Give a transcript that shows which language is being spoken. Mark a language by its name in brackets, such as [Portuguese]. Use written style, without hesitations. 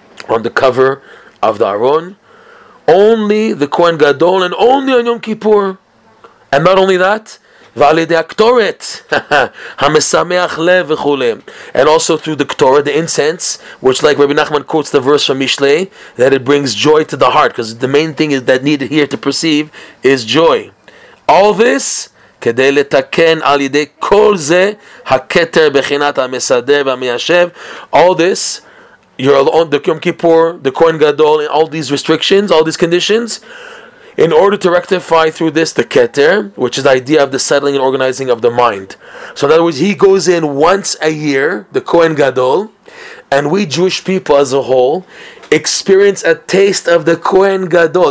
[English] on the cover of the Aron, only the Kohen Gadol, and only on Yom Kippur, and not only that, Valide Aktoret, Hamesameach Lev v'chule, and also through the Ktoret, the incense, which, like Rabbi Nachman quotes the verse from Mishlei, that it brings joy to the heart, because the main thing is that needed here to perceive is joy. All this, [Hebrew] כדי לתקן על ידי כל זה הכתר בחינת המסדר והמיישב. [English] All this, you're on the Yom Kippur, the Kohen Gadol, and all these restrictions, all these conditions, in order to rectify through this the Keter, which is the idea of the settling and organizing of the mind. So in other words, he goes in once a year, the Kohen Gadol, and we Jewish people as a whole experience a taste of the Kohen Gadol.